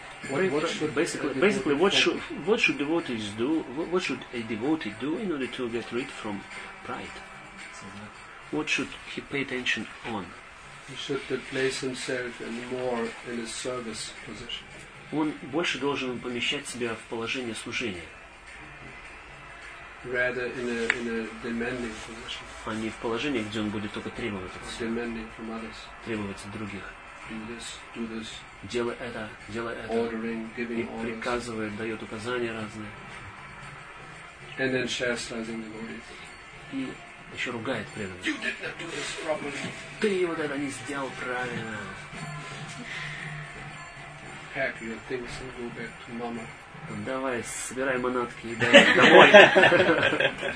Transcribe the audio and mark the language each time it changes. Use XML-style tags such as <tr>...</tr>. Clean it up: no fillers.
<en>What should a devotee do in order to get rid from pride? What should he pay attention on? He should place himself in more in a service position.</en> <ru>Он больше должен помещать себя в положение служения.</ru> <en>Rather in a demanding position.</en> <ru>А не в положении, где он будет только требовать.</ru> <en>Demanding from others.</en> <ru>Требовать от других.</ru> <en>Do this.</en> <ru>Делай это.</ru> <en>Ordering, giving orders.</en> <ru>И приказывает, дает указания разные.</ru> <en>And then chastising the body.</en> <ru>И еще ругает преданных.</ru> <en>You did not do this properly.</en> <ru>Ты вот это не сделал правильно.</ru> <en>Pack your things and go back to mama.</en> <ru>Давай, собирай манатки и дай домой.</ru>